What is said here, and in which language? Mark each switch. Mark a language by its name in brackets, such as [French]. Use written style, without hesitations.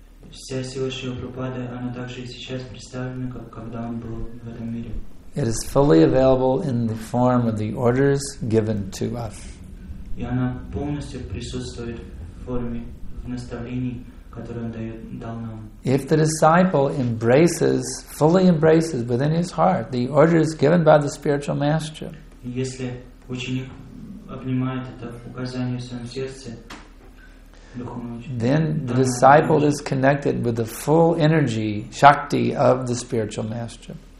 [Russian] Вся сила Шрилы Прабхупады, она также и сейчас представлена, как когда он был в этом мире. [English] It is fully available in the form of the orders given to us. [Russian] И она полностью присутствует в форме, в наставлении, которое он дал нам. [English] If the disciple embraces, fully embraces within his heart the orders given by the spiritual master. [Russian] Если ученик обнимает это указание в своем сердце, [English] then the disciple is connected with the full energy, shakti of the spiritual master.